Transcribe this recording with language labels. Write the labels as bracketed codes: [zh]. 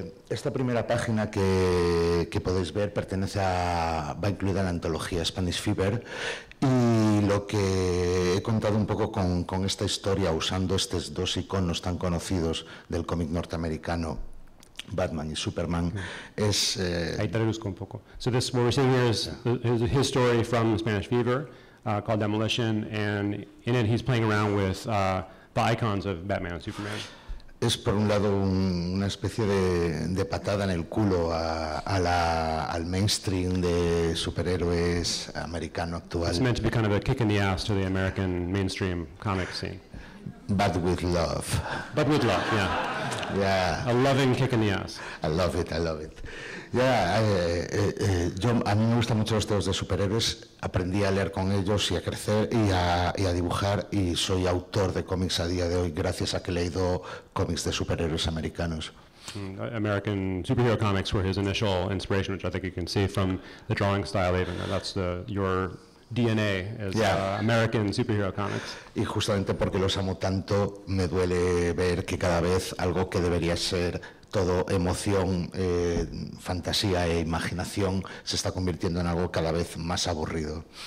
[es] Esta primera página que podéis ver pertenece a, va incluida en la antología Spanish Fever, y lo que he contado un poco con esta historia usando estos dos iconos tan conocidos del cómic norteamericano, Batman y Superman, es... Ahí traduzco un poco. [en] So this, what we're seeing here is his story from Spanish Fever, called Demolition, and in it he's playing around with the icons of Batman and Superman. [es] Es por un lado una especie de patada en el culo al mainstream de superhéroes americano actual. [en] It's meant to be kind of a kick in the ass to the American mainstream comic scene. But with love. But with love, yeah. Yeah. A loving kick in the ass. I love it, I love it. [es] Yeah, a mí me gustan mucho los tebeos de superhéroes. Aprendí a leer con ellos y a crecer y a dibujar, y soy autor de cómics a día de hoy gracias a que he leído cómics de superhéroes americanos. [en] American superhero comics were his initial inspiration, which I think you can see from the drawing style even. That's your DNA as American superhero comics. [es] Y justamente porque los amo tanto, me duele ver que cada vez algo que debería ser todo emoción, fantasía e imaginación se está convirtiendo en algo cada vez más aburrido.